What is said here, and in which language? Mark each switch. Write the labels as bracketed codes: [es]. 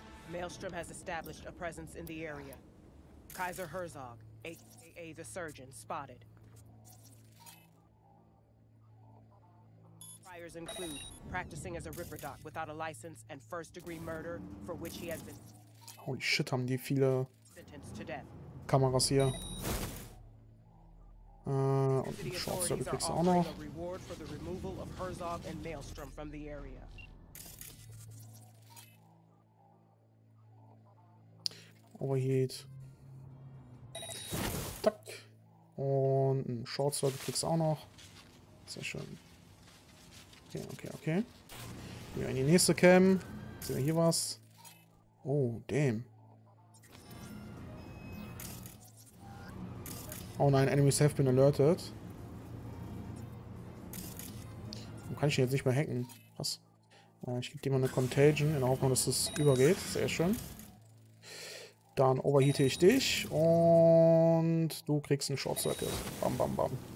[en] Maelstrom has established a presence in the area. Kaiser Herzog, a.k.a. the surgeon, spotted. Priors include practicing as a ripper doc without a license and first-degree murder for which he has been... Holy shit, [de] haben die viele Kameras hier. Und die Shorts, da kriegst du auch noch. [en] A reward for the removal of Herzog and Maelstrom from the area. Overheat. Tack. [de] Und ein Short Circuit kriegst du auch noch. Sehr schön. Okay, okay, okay. Gehen wir in die nächste Cam. Sehen wir hier was? Oh, damn. Oh nein, [en] enemies have been alerted. [de] Warum kann ich ihn jetzt nicht mehr hacken? Was? Ich gebe dir mal eine Contagion in der Hoffnung, dass es übergeht. Sehr schön. Dann overheate ich dich und du kriegst einen Short Circuit. Bam, bam, bam.